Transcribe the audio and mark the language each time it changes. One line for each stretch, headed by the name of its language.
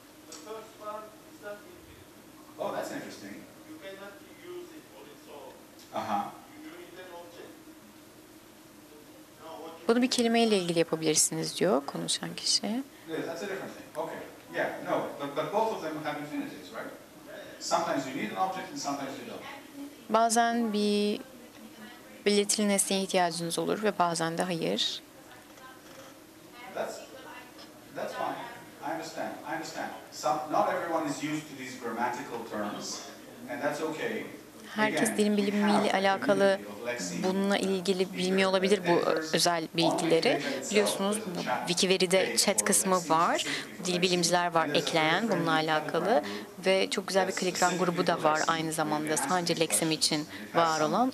English: The first one is not infinitive. Oh, that's interesting. You cannot use it on its own. You need an object.
Turkish: Bunu bir kelimeyle ilgili yapabilirsiniz diyor konuşan kişi.
English: Yes, that's a different thing. Okay. Yeah, no. But both of them have infinitives, right? Sometimes you need an object and sometimes you don't.
Turkish: Bazen bir belirtili nesneye ihtiyacınız olur ve bazen de hayır.
English: That's fine. I understand. Not everyone is used to these grammatical terms, and that's okay.
Turkish: herkes dilin bilimiyle alakalı, bununla ilgili bilmiyor olabilir bu özel bilgileri. Biliyorsunuz bu Wikiveri'de chat kısmı var. Dil bilimciler var ekleyen bununla alakalı. Ve çok güzel bir Telegram grubu da var aynı zamanda. Sadece Lexem için var olan.